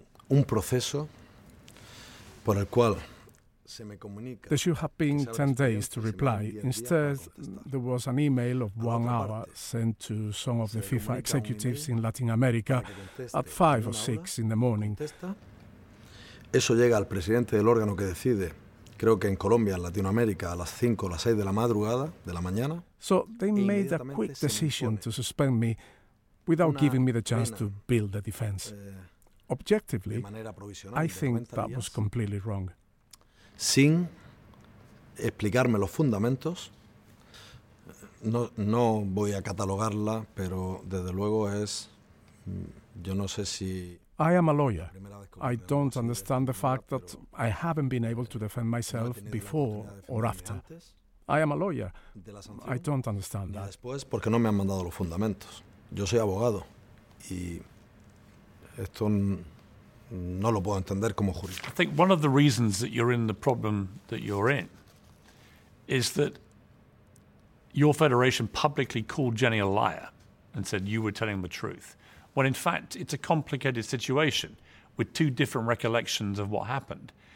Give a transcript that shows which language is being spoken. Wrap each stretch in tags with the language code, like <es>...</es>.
<es>Un proceso por el cual</es> <en>there should have been 10 days to reply. Instead, there was an email of 1 hour sent to some of the FIFA executives in Latin America at 5 or 6 in the morning.</en> <es>Eso llega al presidente del órgano que decide, creo que en Colombia, en Latinoamérica, a las 5 o las 6 de la madrugada, de la mañana.</es> <en>So they made a quick decision to suspend me without giving me the chance to build the defense. Objectively, I think that was completely wrong.</en> <es>Sin explicarme los fundamentos, no voy a catalogarla, pero desde luego es, yo no sé si...</es> <en>I am a lawyer. I don't understand the fact that I haven't been able to defend myself before or after. I am a lawyer. I don't understand that.</en> <es>Después, porque no me han mandado los fundamentos. Yo soy abogado y esto no lo puedo entender como jurista.</es> <en>I think one of the reasons that you're in the problem that you're in is that your federation publicly called Jenny a liar and said you were telling the truth. When in fact, it's a complicated situation with two different recollections of what happened.</en>